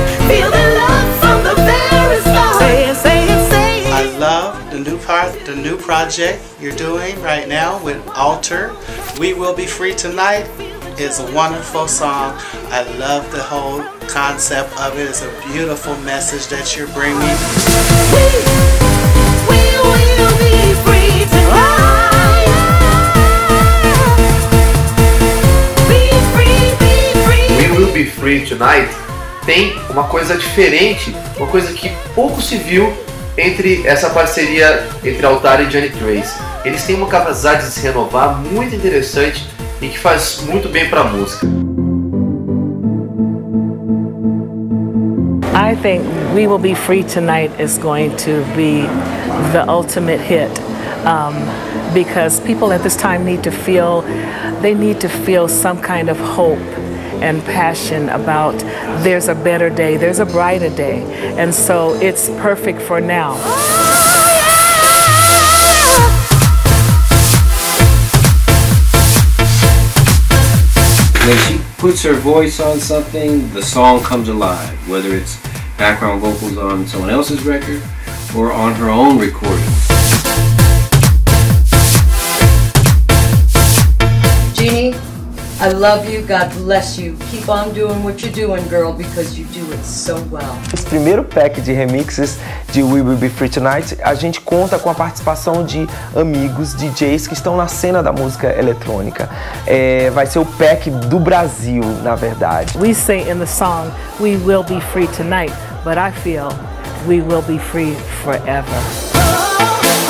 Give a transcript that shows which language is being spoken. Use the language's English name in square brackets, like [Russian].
[English] Feel the love from the very start. Say it, say it, say it. I love the new part, the new project you're doing right now with Alter. We Will Be Free Tonight is a wonderful song. I love the whole concept of it. It's a beautiful message that you're bringing. [Portuguese] We Will Be Free Tonight tem uma coisa diferente, uma coisa que pouco se viu entre essa parceria entre Altar e Jeannie Tracy. Eles têm uma capacidade de se renovar muito interessante e que faz muito bem para a música. [English] I think We Will Be Free Tonight is going to be the ultimate hit, because people at this time need to feel, they need to feel some kind of hope and passion about there's a better day, there's a brighter day. And so it's perfect for now. When she puts her voice on something, the song comes alive, whether it's background vocals on someone else's record or on her own recording. Jeannie, I love you, God bless you. Keep on doing what you're doing, girl, because you do it so well. [Portuguese] Esse primeiro pack de remixes de We Will Be Free Tonight, a gente conta com a participação de amigos DJs que estão na cena da música eletrônica. É, vai ser o pack do Brasil, na verdade. [English] We say in the song, we will be free tonight, but I feel we will be free forever.